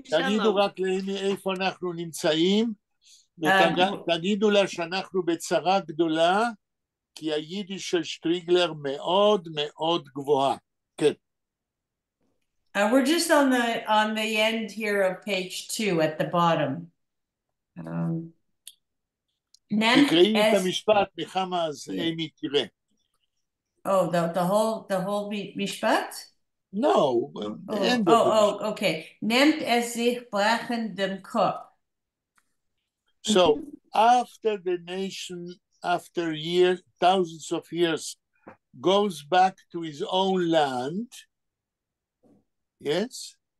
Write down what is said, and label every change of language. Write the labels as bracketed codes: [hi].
[he] רק לאמי איפה אנחנו נמצאים, ותגידו לה שאנחנו בצרה גדולה, כי היידיש של שטריגלר מאוד מאוד גבוהה. כן. [en] We're just on the end here of page 2 at the bottom. [he] תקראי את המשפט, נחמה, אז אמי תראה. [en] Oh, the whole משפט? No. [yi] Okay. Nehmt es sich brechen dem Kopf. [en] So, after the nation, after years, thousands of years, goes back to his own land, yes?